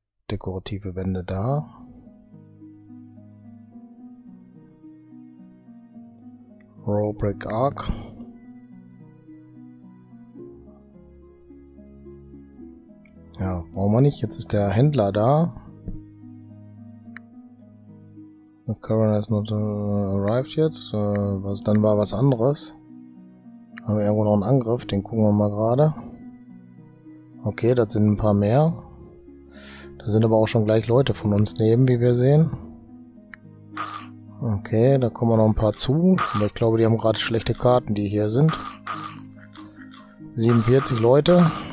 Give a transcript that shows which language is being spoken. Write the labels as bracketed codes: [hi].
[de] Dekorative Wände da. Raw Brick Arc. Ja, brauchen wir nicht. Jetzt ist der Händler da. [en] The current has not arrived yet. [de] Dann war was anderes. Haben wir irgendwo noch einen Angriff? Den gucken wir mal gerade. Okay, das sind ein paar mehr. Da sind aber auch schon gleich Leute von uns neben, wie wir sehen. Okay, da kommen noch ein paar zu. Aber ich glaube, die haben gerade schlechte Karten, die hier sind. 47 Leute.